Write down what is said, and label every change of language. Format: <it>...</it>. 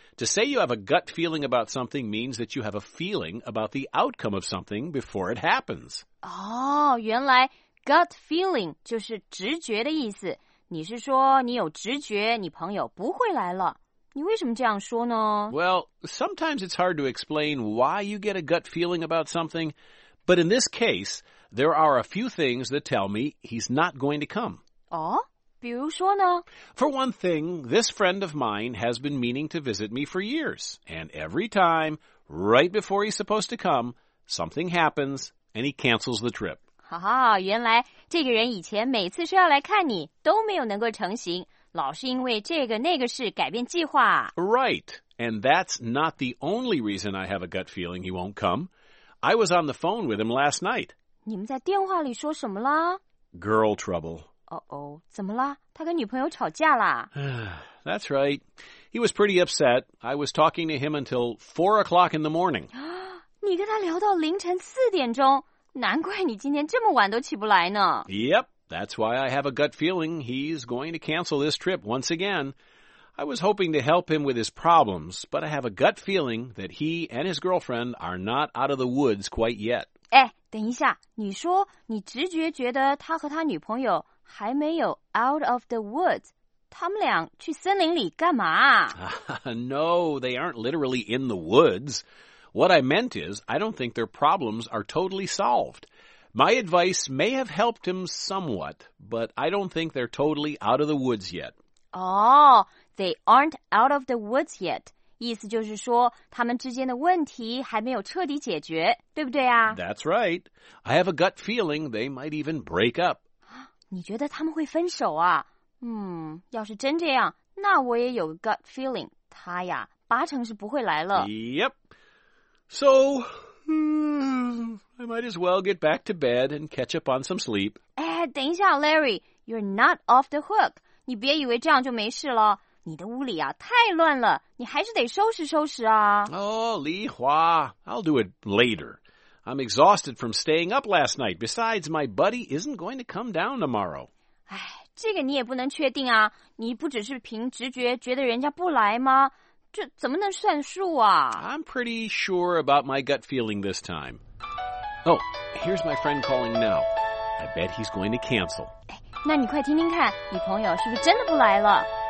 <en>To say you have a gut feeling about something means that you have a feeling about the outcome of something before it happens.</en> <zh>原来Gut feeling 就是直觉的意思。你是说你有直觉你朋友不会来了。你为什么这样说呢？</zh> <en>Well, sometimes it's hard to explain why you get a gut feeling about something, but in this case, there are a few things that tell me he's not going to come.</en> <zh>比如说呢？</zh> <en>For one thing, this friend of mine has been meaning to visit me for years, and every time, right before he's supposed to come, something happens and he cancels the trip.</en> <zh>原来这个人以前每次说要来看你都没有能够成行，老是因为这个那个事改变计划。</zh> <en>Right, and that's not the only reason I have a gut feeling he won't come. I was on the phone with him last night.</en> <zh>你们在电话里说什么啦？</zh> <en>Girl trouble.</en> <zh>怎么啦？他跟女朋友吵架啦？</zh> <en>That's right. He was pretty upset. I was talking to him until 4 o'clock in the morning.</en> <zh>你跟他聊到凌晨4点钟？难怪你今天这么晚都起不来呢。</zh> <en>Yep, That's why I have a gut feeling he's going to cancel this trip once again. I was hoping to help him with his problems, but I have a gut feeling that he and his girlfriend are not out of the woods quite yet.</en> <zh>哎，等一下，你说你直觉觉得他和他女朋友还没有</zh> <en>out of the woods，</en> <zh>他们俩去森林里干嘛？</zh> <en>No, they aren't literally in the woods. What I meant is, I don't think their problems are totally solved. My advice may have helped him somewhat, but I don't think they're totally out of the woods yet. Oh, they aren't out of the woods yet.</en> <zh>意思就是说他们之间的问题还没有彻底解决，对不对啊？</zh> <en>That's right. I have a gut feeling they might even break up.</en> <zh>你觉得他们会分手啊？要是真这样，那我也有 gut feeling， 他呀，八成是不会来了。</zh> <en>Yep. So, I might as well get back to bed and catch up on some sleep.</en> <zh>哎，等一下</zh> <en>Larry, you're not off the hook.</en> <zh>你别以为这样就没事了。你的屋里啊太乱了，你还是得收拾收拾啊。</zh> <en>Oh, Li Hua, I'll do it later. I'm exhausted from staying up last night. Besides, my buddy isn't going to come down tomorrow.</en> <zh>哎，这个你也不能确定啊。你不只是凭直觉觉得人家不来吗？这怎么能算数啊？</zh> <en>I'm pretty sure about my gut feeling this time. Oh, here's my friend calling now. I bet he's going to cancel.</en> <zh>那你快听听看，女朋友是不是真的不来了？</zh>